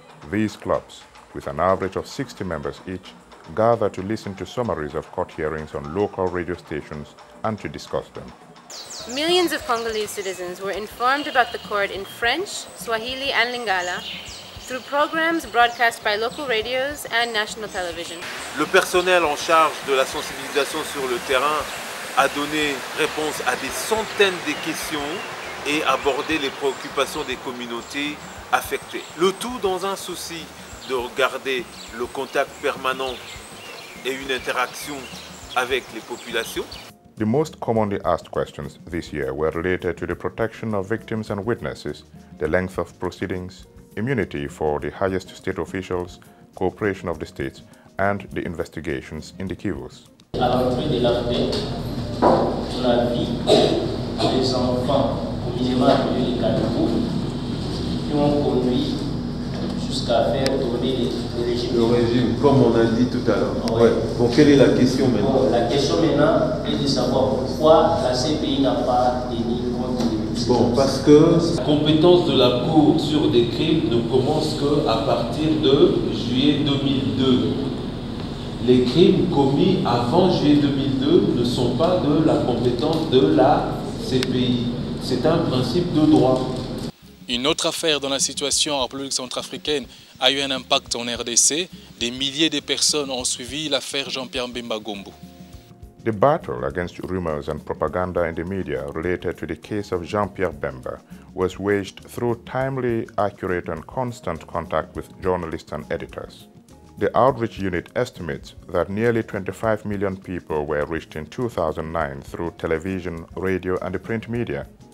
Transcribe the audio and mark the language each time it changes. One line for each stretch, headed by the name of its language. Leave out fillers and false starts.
English: These clubs, with an average of 60 members each, gather to listen to summaries of court hearings on local radio stations and to discuss them. Millions of Congolese citizens were informed about the court in French, Swahili and Lingala through programs broadcast by local radios and national television.
French: Le personnel en charge de la sensibilisation sur le terrain a donné réponse à des centaines de questions et abordé les préoccupations des communautés affectées. Le tout dans un souci de garder le contact permanent et une interaction avec les populations.
English: The most commonly asked questions this year were related to the protection of victims and witnesses, the length of proceedings, immunity for the highest state officials, cooperation of the states, and the investigations in the Kivus.
French: À l'entrée de l'armée, on a vu des enfants au minimum de Kadougou qui ont conduit jusqu'à faire tourner le régime. Le régime, comme on a dit tout à l'heure. Oui. Ouais. Bon, quelle est la question maintenant? Bon, la question maintenant est de savoir pourquoi la CPI n'a pas tenu compte de ça. Bon, parce que la compétence de la Cour sur des crimes ne commence qu'à partir de juillet 2002. Les crimes commis avant juillet 2002 ne sont pas de la compétence de la CPI. C'est un principe de droit. Une autre affaire dans la situation en République centrafricaine a eu un impact en RDC. Des milliers de personnes ont suivi l'affaire Jean-Pierre Bemba Gombo.
English: The battle against rumors and propaganda in the media related to the case of Jean-Pierre Bemba was waged through timely, accurate and constant contact with journalists and editors. The outreach unit estimates that nearly 25 million people were reached in 2009 through television, radio and the print media.